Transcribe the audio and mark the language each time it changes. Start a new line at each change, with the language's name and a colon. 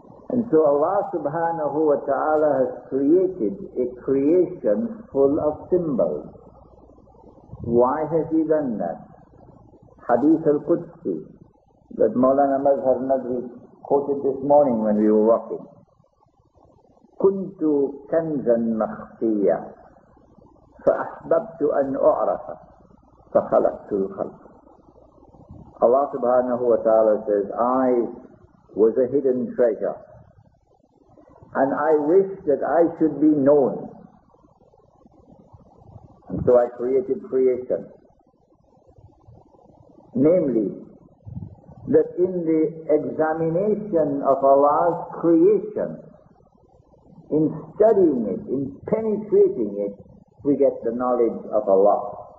English: And so Allah subhanahu wa ta'ala has created a creation full of symbols. Why has He done that? Hadith al-Qudsi that Maulana Mazhar Nazri quoted this morning when we were walking.
Arabic: كنت كنزا مخفيا فأحببت أن أعرف فخلقت الخلق.
English: Allah subhanahu wa ta'ala says, I was a hidden treasure and I wish that I should be known. And so I created creation. Namely, that in the examination of Allah's creation, in studying it, in penetrating it, we get the knowledge of Allah.